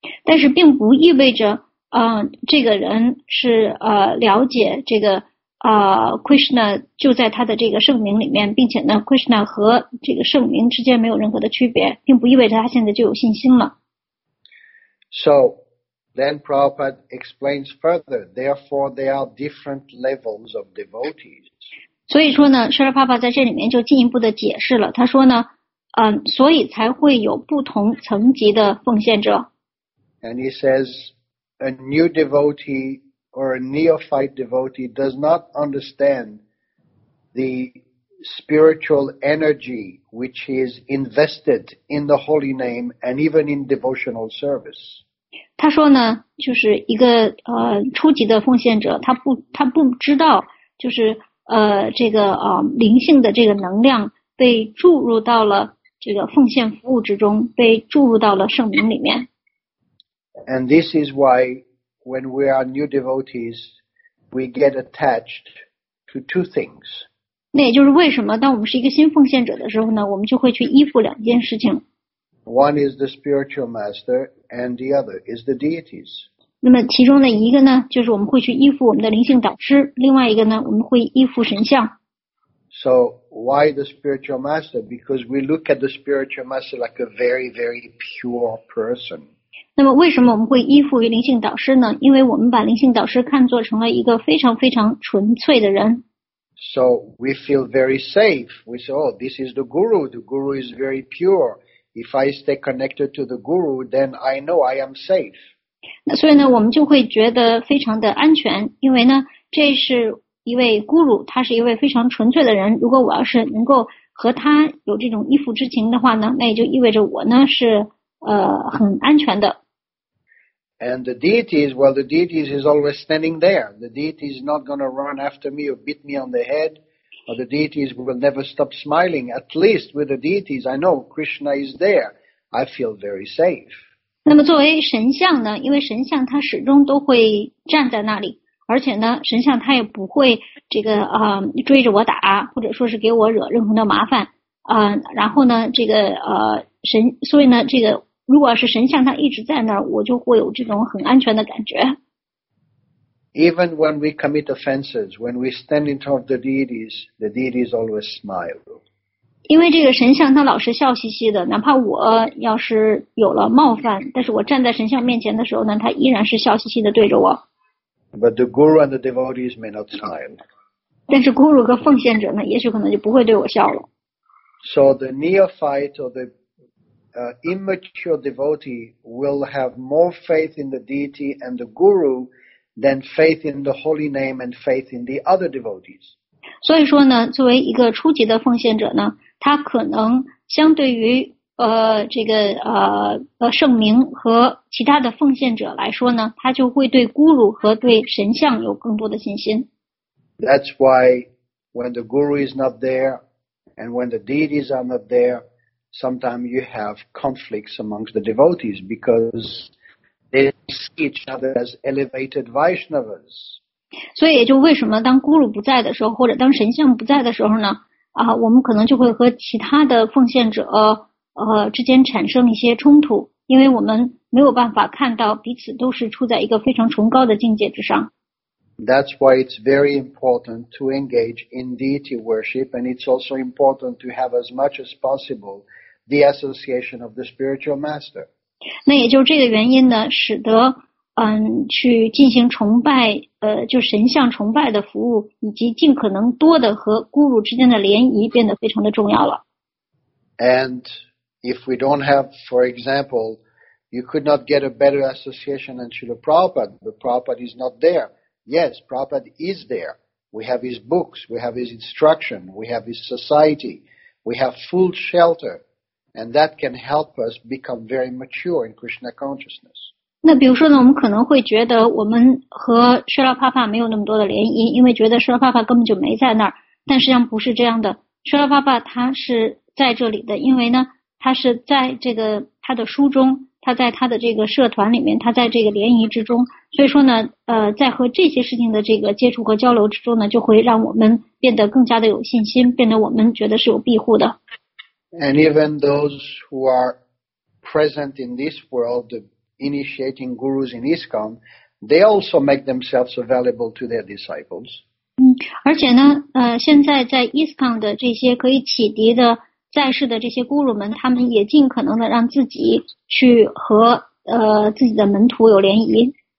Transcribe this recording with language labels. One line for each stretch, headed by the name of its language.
Chinese: 但是并不意味着，这个人是了解这个。 Krishna 就在他的这个圣名里面，并且呢 ，Krishna 和这个圣名之间没有任何的区别，并不意味着他现在就有信心了。
English: So then Prabhupada explains further. Therefore, there are different levels of devotees.
Chinese: 所以说呢，舍尔帕帕在这里面就进一步的解释了。他说呢，所以才会有不同层级的奉献者。
English: And he says, a new devotee. Or a neophyte devotee does not understand the spiritual energy which is invested in the holy name and even in devotional service.
Chinese: 他说呢，就是一个初级的奉献者，他不知道，就是这个灵性的这个能量被注入到了这个奉献服务之中，被注入到了圣名里面。
English: And this is why when we are new devotees, we get attached to two things.
Chinese: 那也就是为什么当我们是一个新奉献者的时候呢，我们就会去依附两件事情。
English: One is the spiritual master, and the other is the deities.
Chinese: 那么其中的一个呢，就是我们会去依附我们的灵性导师，另外一个呢，我们会依附神像。
English: So why the spiritual master? Because we look at the spiritual master like a very, very pure person.
Chinese: 那么为什么我们会依附于灵性导师呢？因为我们把灵性导师看作成了一个非常非常纯粹的人。
English: So we feel very safe. We say, oh, this is the guru. The guru is very pure. If I stay connected to the guru, then I know I am safe.
Chinese: 那所以呢，我们就会觉得非常的安全，因为呢，这是一位 guru， 他是一位非常纯粹的人。如果我要是能够和他有这种依附之情的话呢，那也就意味着我呢是很安全的。
English: And the deities, well, the deities is always standing there. The deity is not going to run after me or beat me on the head, or the deities will never stop smiling. At least with the deities, I know Krishna is there. I feel very safe.
Chinese: 那么作为神像呢，因为神像他始终都会站在那里。而且呢，神像他也不会这个追着我打，或者说是给我惹任何的麻烦然后呢，这个神，所以呢，这个如果是神像他一直在那儿，我就会有这种很安全的感觉。
English: Even when we commit offenses, when we stand in front of the deities always smile.
Chinese: 因为这个神像他老是笑嘻嘻的，哪怕我要是有了冒犯，但是我站在神像面前的时候呢，他依然是笑嘻嘻的对着我。
English: But the guru and the devotees may not smile.
Chinese: 但是 guru 和奉献者呢，也许可能就不会对我笑了。
English: So the neophyte or the immature devotee will have more faith in the deity and the guru than faith in the holy name and faith in the other devotees.
Chinese: 所以说呢，作为一个初级的奉献者呢，他可能相对于这个圣名和其他的奉献者来说呢，他就会对咕噜和对神像有更多的信心。
English: That's why when the guru is not there and when the deities are not there, sometimes you have conflicts amongst the devotees because they see each other as elevated Vaishnavas.
Chinese: 所以也就为什么当咕噜不在的时候，或者当神像不在的时候呢？我们可能就会和其他的奉献者之间产生一些冲突，因为我们没有办法看到彼此都是处在一个非常崇高的境界之上。
English: That's why it's very important to engage in deity worship, and it's also important to have as much as possible the association of the spiritual master.
Chinese: 那也就这个原因呢，使得去进行崇拜就神像崇拜的服务，以及尽可能多的和咕噜之间的联谊变得非常的重要了。
English: And if we don't have, for example, you could not get a better association than Srila Prabhupada. But Prabhupada is not there. Yes, Prabhupada is there. We have his books, we have his instruction, we have his society, we have full shelter, and that can help us become very mature in Krishna consciousness.
Chinese: 那比如说呢，我们可能会觉得我们和 Srila Prabhupada 没有那么多的联谊，因为觉得 Srila Prabhupada 根本就没在那儿。但实际上不是这样的。 Srila Prabhupada 他是在这里的，因为呢，他是在这个他的书中，他在他的这个社团里面，他在这个联谊之中，所以说呢，在和这些事情的这个接触和交流之中呢，就会让我们变得更加的有信心，变得我们觉得是有庇护的。
English: And even those who are present in this world, the initiating gurus in ISKCON, they also make themselves available to their disciples.
Chinese: 嗯，而且呢，现在在 ISKCON 的这些可以启迪的在世的这些咕噜们，他们也尽可能的让自己去和自己的门徒有联谊。